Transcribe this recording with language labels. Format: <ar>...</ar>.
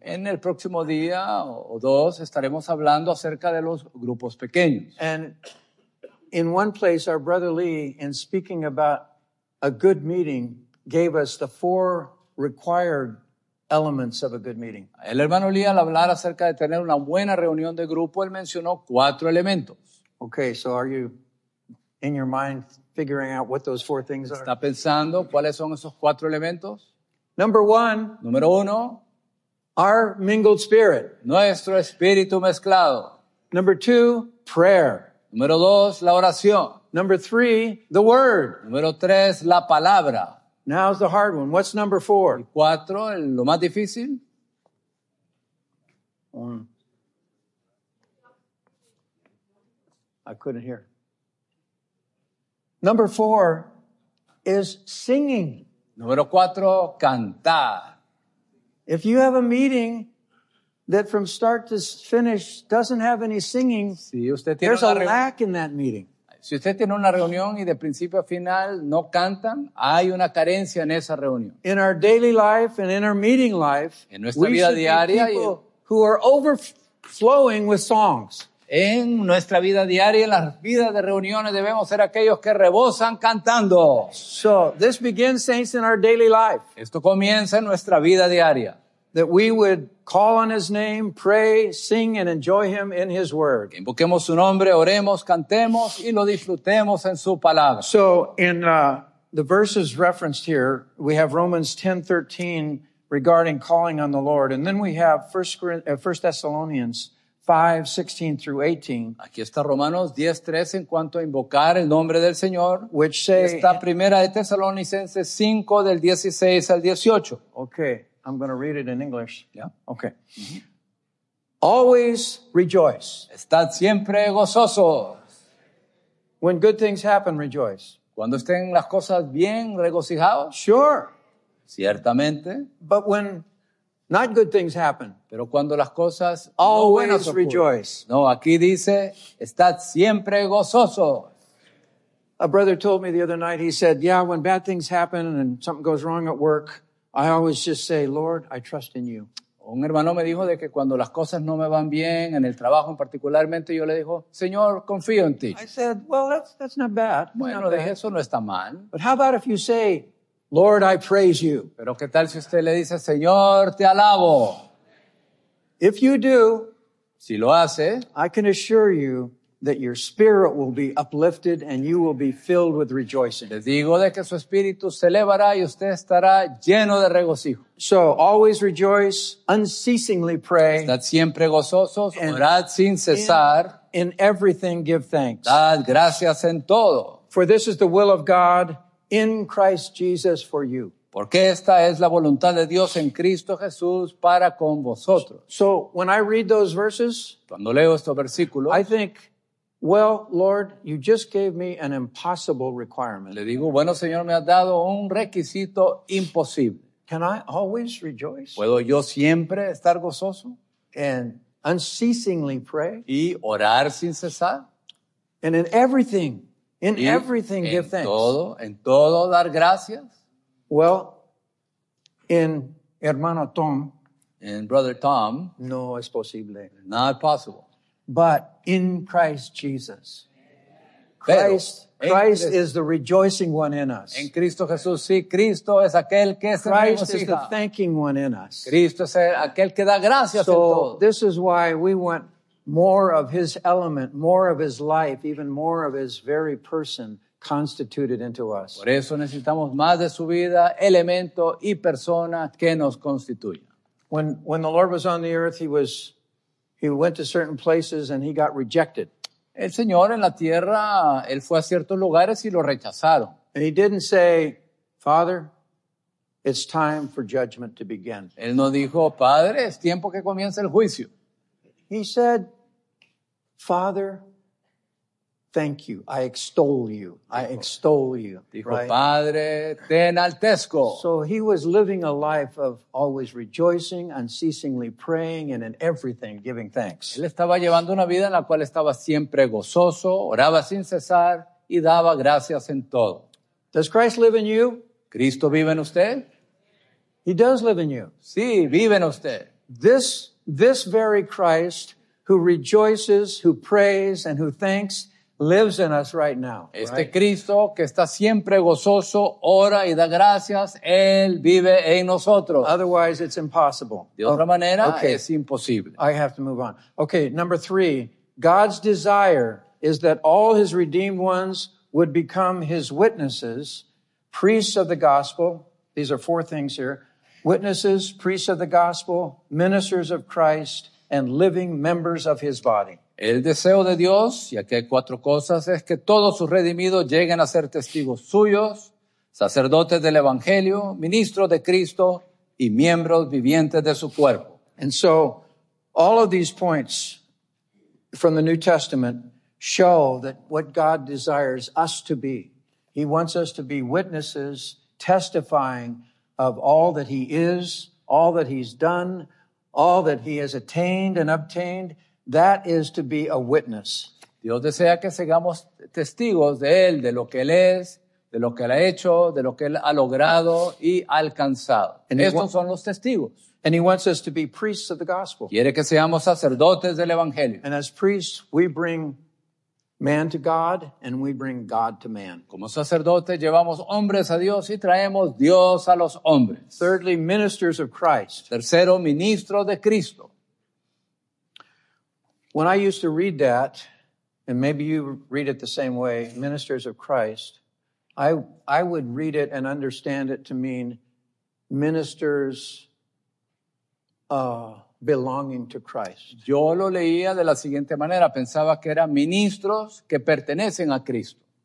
<es>En el próximo día o dos estaremos hablando acerca de los grupos pequeños.</es> <en>And in one place, our brother Lee, in speaking about a good meeting, gave us the 4 required elements of a good meeting.</en> <es>El hermano Lee, al hablar acerca de tener una buena reunión de grupo, él mencionó 4 elementos.</es> <en>Okay, so are you in your mind figuring out what those 4 things are?</en> <es>¿Está pensando cuáles son esos 4 elementos?</es> <en>Number 1.</en> <es>Número 1.</es> <en>Our mingled spirit.</en> <es>Nuestro espíritu mezclado.</es> <en>Number 2. Prayer.</en> <es>Número 2. La oración.</es> <en>Number 3. The word.</en> <es>Número 3. La palabra.</es> <en>Now's the hard one. What's number 4?</en> <es>El 4. Lo más difícil.</es> <en>I couldn't hear. Number 4 is singing.</en> <es>Número 4, cantar.</es> <en>If you have a meeting that from start to finish doesn't have any singing,</en> <es>si usted tiene</es> <en>there's a lack in that meeting.</en> <es>Si usted tiene una reunión y de principio a final no cantan, hay una carencia en esa reunión.</es> <en>In our daily life and in our meeting life,</en> <es>en nuestra vida diaria,</es> <en>we should be people who are overflowing with songs.</en> <es>En nuestra vida diaria, en las vidas de reuniones, debemos ser aquellos que rebosan cantando.</es> <en>So, this begins, saints, in our daily life.</en> <es>Esto comienza en nuestra vida diaria.</es> <en>that we would call on his name, pray, sing, and enjoy him in his word.</en> <es>Invoquemos su nombre, oremos, cantemos, y lo disfrutemos en su palabra.</es> <en>So in the verses referenced here, we have Romans 10:13 regarding calling on the Lord. And then we have 1 Thessalonians 5:16-18.</en> <es>Aquí está Romanos 10:13 en cuanto a invocar el nombre del Señor.</es> <en>Which say,</en> <es>está primera de Tesalonicenses 5 del 16 al 18.</es> <en>Okay. I'm going to read it in English. Yeah. Okay. Mm-hmm. Always rejoice.</en> <es>Estad siempre gozosos.</es> <en>When good things happen, rejoice.</en> <es>Cuando estén las cosas bien, regocijados.</es> <en>Sure.</en> <es>Ciertamente.</es> <en>But when not good things happen.</en> <es>Pero cuando las cosas</es> <en>always</en> <es>no buenas</es> <en>rejoice.</en> <es>No, aquí dice, estad siempre gozosos.</es> <en>A brother told me the other night, he said, yeah, when bad things happen and something goes wrong at work, I always just say, Lord, I trust in you.</en> <es>Un hermano me dijo de que cuando las cosas no me van bien en el trabajo, en particularmente, yo le dijo, Señor, confío en ti.</es> <en>I said, well, that's not bad.</en> <es>Bueno, dije, eso no está mal.</es> <en>But how about if you say, Lord, I praise you?</en> <es>Pero qué tal si usted le dice, Señor, te alabo.</es> <en>If you do,</en> <es>si lo hace,</es> <en>I can assure you that your spirit will be uplifted and you will be filled with rejoicing.</en> <es>Les digo de que su espíritu se elevará y usted estará lleno de regocijo.</es> <en>So always rejoice, unceasingly pray.</en> <es>Estad siempre gozosos, orad sin cesar.</es> <en>In everything give thanks.</en> <es>Dad gracias en todo.</es> <en>For this is the will of God in Christ Jesus for you.</en> <es>Porque esta es la voluntad de Dios en Cristo Jesús para con vosotros.</es> <en>So when I read those verses,</en> <es>cuando leo estos versículos,</es> <en>I think, well, Lord, you just gave me an impossible requirement.</en> <es>Le digo, bueno, Señor, me has dado un requisito imposible.</es> <en>Can I always rejoice?</en> <es>¿Puedo yo siempre estar gozoso?</es> <en>And unceasingly pray?</en> <es>¿Y orar sin cesar?</es> <en>And in everything give thanks.</en> <es>Todo, en todo dar gracias.</es> <en>Well, in hermano Tom. In brother Tom.</en> <es>No es posible.</es> <en>Not possible. But in Christ Jesus. Christ is the rejoicing one in us.</en> <es>En Cristo Jesús, sí, Cristo es aquel que se regocija.</es> <en>Christ is the thanking one in us.</en> <es>Cristo es aquel que da gracias en todo.</es> <en>So this is why we want more of his element, more of his life, even more of his very person constituted into us.</en> <es>Por eso necesitamos más de su vida, elemento y persona que nos constituya.</es> <en>When the Lord was on the earth, he went to certain places and he got rejected.</en> <es>El Señor en la tierra, él fue a ciertos lugares y lo rechazaron.</es> <en>And he didn't say, Father, it's time for judgment to begin.</en> <es>Él no dijo, Padre, es tiempo que comience el juicio.</es> <en>He said, Father, thank you. I extol you. I extol you.</en> <es>Dijo, right? Padre, te enaltezco.</es> <en>So he was living a life of always rejoicing, unceasingly praying, and in everything giving thanks.</en> <es>Él estaba llevando una vida en la cual estaba siempre gozoso, oraba sin cesar, y daba gracias en todo.</es> <en>Does Christ live in you?</en> <es>¿Cristo vive en usted?</es> <en>He does live in you.</en> <es>Sí, vive en usted.</es> <en>This very Christ who rejoices, who prays, and who thanks lives in us right now.</en> <es>Este Cristo que está siempre gozoso, ora y da gracias, él vive en nosotros.</es> <en>Otherwise, it's impossible.</en> <es>De otra manera, okay. Es imposible.</es> <en>I have to move on. Okay, number three. God's desire is that all his redeemed ones would become his witnesses, priests of the gospel. These are four things here. Witnesses, priests of the gospel, ministers of Christ, and living members of his body.</en> <es>El deseo de Dios, y aquí hay cuatro cosas, es que todos sus redimidos lleguen a ser testigos suyos, sacerdotes del Evangelio, ministros de Cristo y miembros vivientes de su cuerpo.</es> <en>And so, all of these points from the New Testament show that what God desires us to be, he wants us to be witnesses testifying of all that he is, all that he's done, all that he has attained and obtained. That is to be a witness.</en> <es>Dios desea que seamos testigos de él, de lo que él es, de lo que él ha hecho, de lo que él ha logrado y alcanzado. And estos son los testigos.</es> <en>And he wants us to be priests of the gospel.</en> <es>Quiere que seamos sacerdotes del evangelio.</es> <en>And as priests, we bring man to God, and we bring God to man.</en> <es>Como sacerdotes llevamos hombres a Dios y traemos Dios a los hombres.</es> <en>Thirdly, ministers of Christ.</en> <es>Tercero, ministro de Cristo.</es> <en>When I used to read that, and maybe you read it the same way, ministers of Christ, I would read it and understand it to mean ministers belonging to Christ.</en> <es>Yo lo leía de la siguiente manera. Pensaba que eran ministros que pertenecen a Cristo.</es>